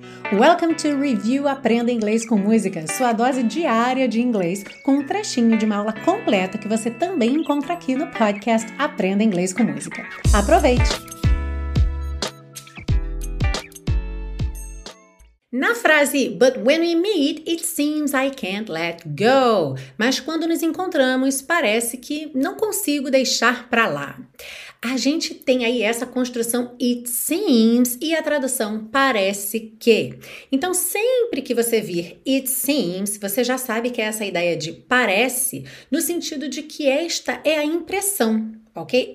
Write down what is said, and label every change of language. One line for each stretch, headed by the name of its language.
Portuguese: Welcome to Review Aprenda Inglês com Música, sua dose diária de inglês, com um trechinho de uma aula completa que você também encontra aqui no podcast Aprenda Inglês com Música. Aproveite! Na frase,
English: but when we meet, it seems I can't let go.
Portuguese: Mas quando nos encontramos, parece que não consigo deixar pra lá. A gente tem aí essa construção it seems e a tradução parece que. Então, sempre que você vir it seems, você já sabe que é essa ideia de parece, no sentido de que esta é a impressão. Ok?